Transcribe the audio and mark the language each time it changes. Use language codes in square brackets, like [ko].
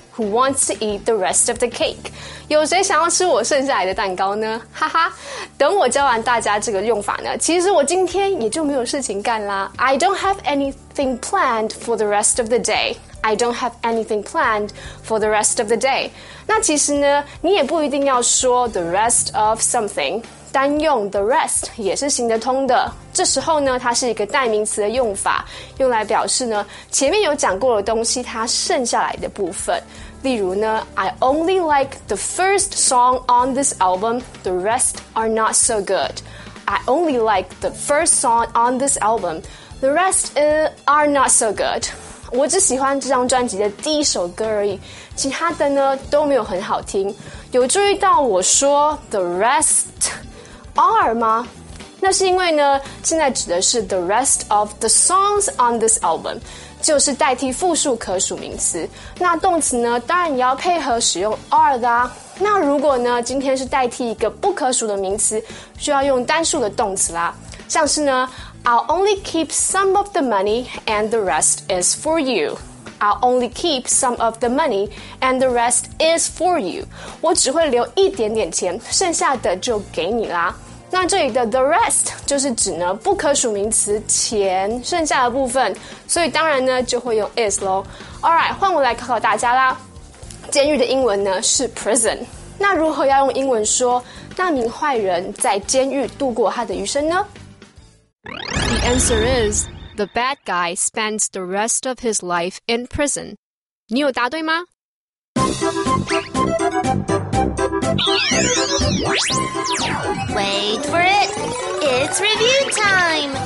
[en] Who wants to eat the rest of the cake? [zh] 有谁想要吃我剩下来的蛋糕呢？哈哈，等我教完大家这个用法呢，其实我今天也就没有事情干啦。 [en] I don't have anything planned for the rest of the day. I don't have anything planned for the rest of the day. [zh] 那其实呢，你也不一定要说 [en] the rest of something， [zh] 单用 the rest 也是行得通的。这时候呢，它是一个代名词的用法，用来表示呢前面有讲过的东西它剩下来的部分。例如呢 [en] I only like the first song on this album, the rest are not so good. I only like the first song on this album, the rest are not so good. [zh] 我只喜欢这张专辑的第一首歌而已，其他的呢都没有很好听。有注意到我说 [en] the restare [zh] 吗？那是因为呢，现在指的是 [en] the rest of the songs on this album， [zh] 就是代替复数可数名词。那动词呢，当然也要配合使用 are 的啊。那如果呢，今天是代替一个不可数的名词，需要用单数的动词啦。像是呢 [en] ，I'll only keep some of the money and the rest is for you。 I'll only keep some of the money and the rest is for you. [zh] 我只会留一点点钱，剩下的就给你啦。那这里的 the rest 就是指呢不可数名词钱剩下的部分，所以当然呢就会用 is 咯。 Alright， 换我来考考大家啦。监狱的英文呢是 prison， 那如何要用英文说那名坏人在监狱度过他的余生呢？ [en] The answer isThe bad guy spends the rest of his life in prison. [zh] 你有答对吗？ [en] Wait for it. It's review time.